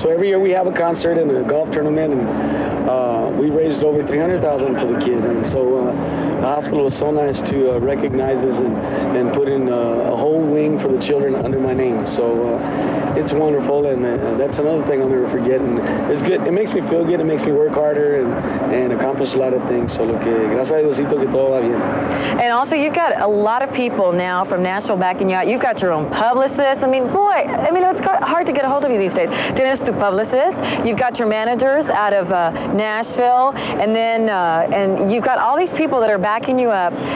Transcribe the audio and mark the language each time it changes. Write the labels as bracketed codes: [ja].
[en] So every year we have a concert and a golf tournament, and we raised over $300,000 for the kids, and so the hospital was so nice to recognize us and put in a whole wing for the children under my name. So it's wonderful, and that's another thing I'll never forget. And it's good. It makes me feel good. It makes me work harder and accomplish a lot of things. [es] So lo que, gracias a Diosito que todo va bien. [en] And also, you've got a lot of people now from Nashville backing you out. You've got your own publicist. I mean, boy, I mean, it's hard to get a hold of you these days. Dennis, the publicist. You've got your managers out of Nashville, and then and you've got all these people that are backing you up.